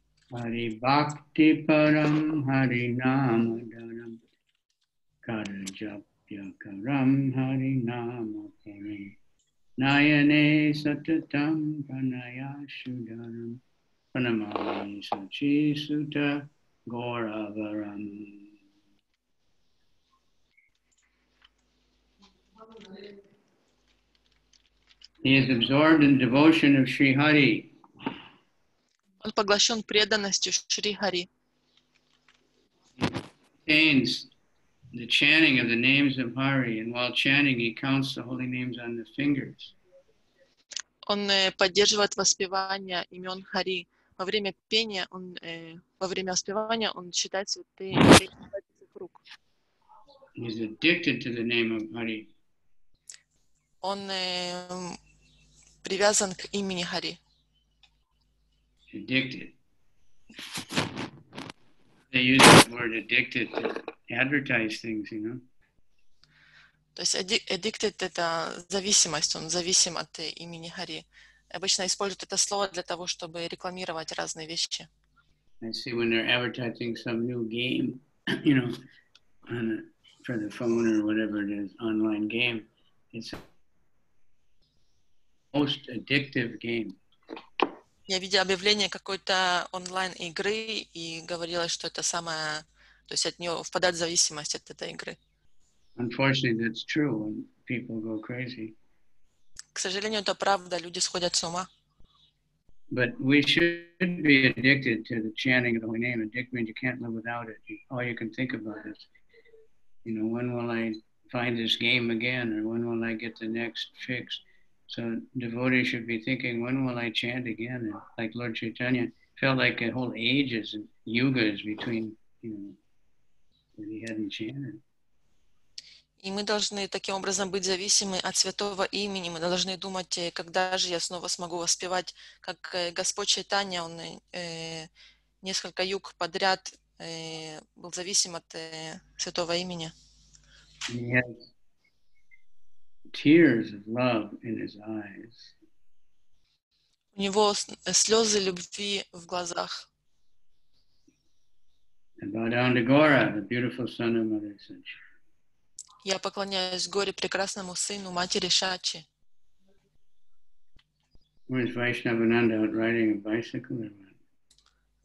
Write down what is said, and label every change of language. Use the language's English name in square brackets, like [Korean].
[Sanskrit] Hari Bhakti Param Hari Nama Dharam Kara Japya Karam Hari Nama Param Nayane Satatam Pranayashudaram Pranamami Sachi Sutta Gauravaram. [English] He is absorbed in devotion of Sri Hari. [Russian] Он поглощен преданностью Шри Хари. [English] Contains the chanting of the names of Hari, and while chanting, he counts the holy names on the fingers. [Russian] Он поддерживает воспевание имен Хари. Во время пения, он во время воспевания, он считает святые пальцы рук. [English] He's addicted to the name of Hari. [Russian] Он привязан к имени Хари. [English] Addicted. They use the word addicted to advertise things, you know. [Russian] То есть [English] addicted [Russian] — это зависимость. Он зависим от имени Хари. Обычно используют это слово для того, чтобы рекламировать разные вещи. [English] I see when they're advertising some new game, you know, on a, for the phone or whatever it is, online game. It's the most addictive game. [Russian] Я видел объявление какой-то онлайн-игры и говорила, что это самое, то есть от нее впадает зависимость от этой игры. [English] Unfortunately, that's true when people go crazy. [Russian] К сожалению, это правда, люди сходят с ума. [English] But we should be addicted to the chanting of the holy name. Addicted means you can't live without it. All you can think about is, you know, when will I find this game again, or when will I get the next fix? So devotees should be thinking, when will I chant again? And like Lord Chaitanya felt like a whole ages and yugas between, you know, that he hadn't chanted. [Russian] И мы должны таким образом быть зависимы от святого имени. Мы должны думать, когда же я снова смогу воспевать, как Господь Чайтанья, он несколько юг подряд был зависим от святого имени. [English] Tears of love in his eyes. [Russian] У него слезы любви в глазах. [English] And bow down to Gaura, the beautiful son of Mother Sachi. [Russian] Я поклоняюсь Горе, прекрасному сыну матери Шачи. [English] Where is Vaishnavananda out riding a bicycle or what?